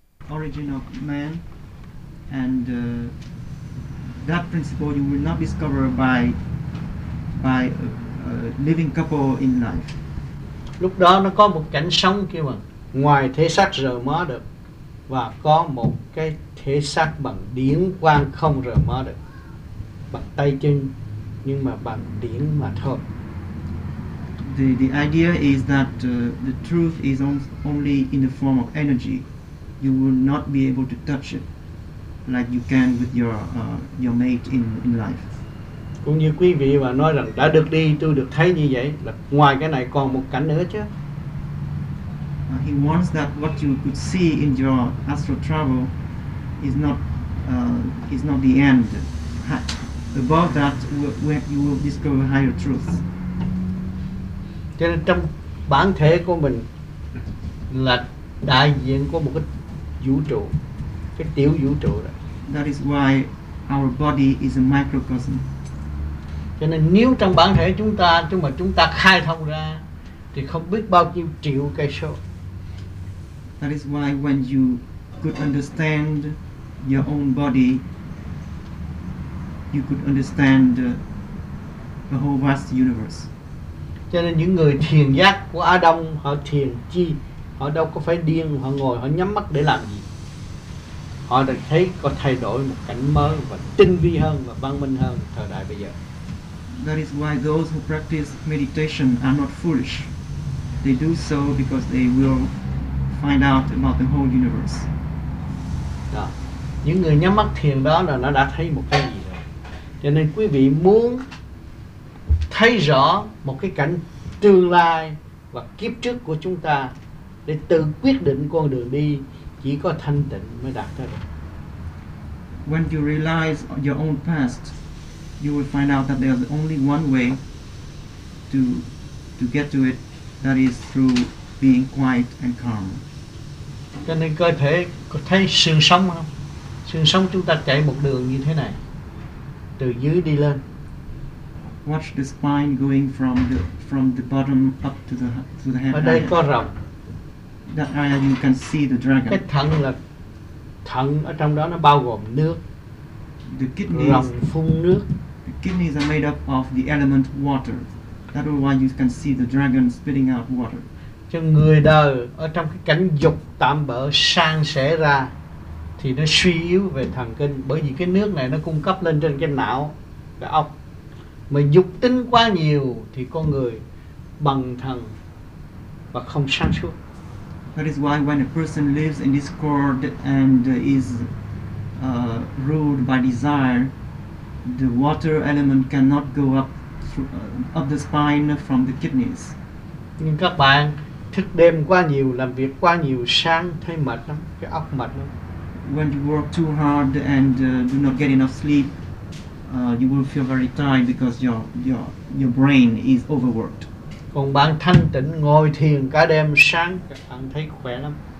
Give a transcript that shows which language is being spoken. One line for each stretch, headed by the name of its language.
English: origin of man, and that principle you will not discover by a living couple in life.
Vietnamese: Lúc đó nó có một cảnh sống kia mà ngoài thể xác rờ mó được, và có một cái thể xác bằng điển quang không rờ mó được, bằng tay chân nhưng mà bằng điển mà thôi.
English: The idea is that the truth is only in the form of energy. You will not be able to touch it like you can with your mate in life.
Vietnamese: Cũng như quý vị mà nói rằng đã được đi, tôi được thấy như vậy, là ngoài cái này còn một cảnh nữa chứ.
English: He wants that what you could see in your astral travel is not the end. Above that, you will discover higher truths.
Vietnamese: Cho nên trong bản thể của mình là đại diện của một cái vũ trụ, cái tiểu vũ trụ đó.
English: That is why our body is a microcosm.
Vietnamese: Cho nên nếu trong bản thể chúng ta, nhưng mà chúng ta khai thông ra thì không biết bao nhiêu triệu cây số.
English: That is why when you could understand your own body, you could understand the whole vast universe.
Vietnamese: Cho nên những người thiền giác của Á Đông, họ thiền chi? Họ đâu có phải điên, họ ngồi, họ nhắm mắt để làm gì? Họ được thấy có thay đổi một cảnh mới và tinh vi hơn và văn minh hơn thời đại bây giờ.
English: That is why those who practice meditation are not foolish. They do so because they will find out about the whole universe.
Vietnamese: Đó. Những người nhắm mắt thiền đó là nó đã thấy một cái gì rồi. Cho nên quý vị muốn thấy rõ một cái cảnh tương lai và kiếp trước của chúng ta để tự quyết định con đường đi, chỉ có thanh tịnh mới đạt tới được.
English: When you realize your own past, you will find out that there is only one way to get to it, that is through being quiet and calm.
Vietnamese: Cho nên cơ thể có thấy xương sống không? Xương sống chúng ta chạy một đường như thế này, từ dưới đi lên.
English: Watch the spine going from the bottom up to the head.
Vietnamese: Ở đây có rồng.
English: That area you can see the dragon.
Vietnamese: Cái thận là thận, ở trong đó nó bao gồm nước.
English: The kidneys.
Vietnamese: Rồng phun nước.
English: The kidneys are made up of the element water. That is why you can see the dragon spitting out water.
Vietnamese: Cho người đời ở trong cái cảnh dục tạm bỡ sang sẻ ra thì nó suy yếu về thần kinh, bởi vì cái nước này nó cung cấp lên trên cái não, cái óc. Mà dục tính quá nhiều thì con người bằng thần và không sáng suốt.
English: That is why when a person lives in discord and is ruled by desire, the water element cannot go up the spine from the kidneys.
Vietnamese: Nhưng các bạn thức đêm quá nhiều, làm việc quá nhiều, sáng thấy mệt lắm, cái óc mệt lắm.
English: When you work too hard and do not get enough sleep, you will feel very tired because your brain is overworked.
Vietnamese: Còn bạn thanh tịnh ngồi thiền cả đêm sáng, bạn thấy khỏe lắm.